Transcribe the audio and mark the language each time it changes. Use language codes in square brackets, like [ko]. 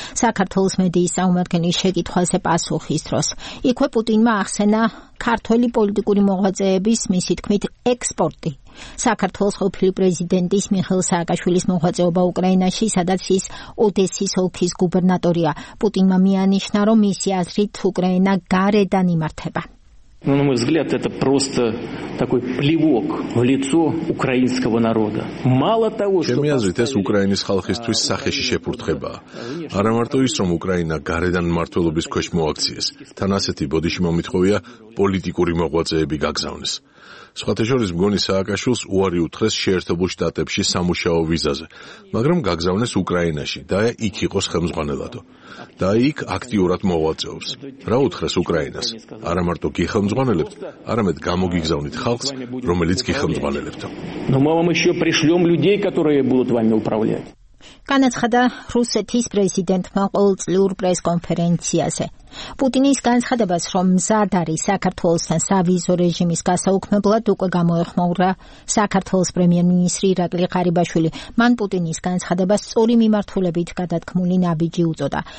[ka] საქართველოს მედიის წარმომადგენლის შეკითხვაზე პასუხის დროს იქვე პუტინმა ახსენა ქართველი პოლიტიკური მოღვაწეების, მისი თქმით, ექსპორტი. საქართველოს ყოფილი პრეზიდენტის მიხეილ სააკაშვილის მოღვაწეობა უკრაინაში, სადაც ის ოდესის ოლქის გუბერნატორია. პუტინმა მიანიშნა, რომ მისი აზრით უკრაინა გარედან იმართება. [ru] Но, на мой взгляд, это просто такой плевок в лицо украинского народа. Мало того, что Чем я зритес [ka] украинის ხალხისთვის სახეში შეფურთხება. Ара марто ის რომ უკრაინა გარედან მართლობის ქვეშ მოაქციეს. თან ასეთი ბოდიში მომიტყვია პოლიტიკური მოღვაწეები გაგზავნეს. სხვათაშორის მგონი სააკაშვილს უარი უთხრეს შეერთებულ შტატებში სამუშაო ვიზაზე, მაგრამ გაგზავნეს უკრაინაში და იქ იყოს ხელმძღვანელადო. და იქ აქტიურად მოღვაწეობს. რა უთხრეს უკრაინას? არა მარტო გიხმძღვანელებთ, არამედ გამოგიგზავნით ხალხს, რომელიც გიხმძღვანელებთ. [ru] Но мы вам ещё пришлём людей, которые будут вами управлять. [ka] განაცხადა რუსეთის პრეზიდენტმა ყოველწლიურ პრეს-კონფერენციაზე. პუტინის განცხადებას, რომ მზადარი საქართველოსთან სავიზო რეჟიმის გასაუქმებლად, უკვე გამოეხმაურა საქართველოს პრემიერ-მინისტრი ირაკლი ღარიბაშვილი. მან პუტინის განცხადებას სწორი მიმართულებით გადათქმული ნაბიჯი უწოდა.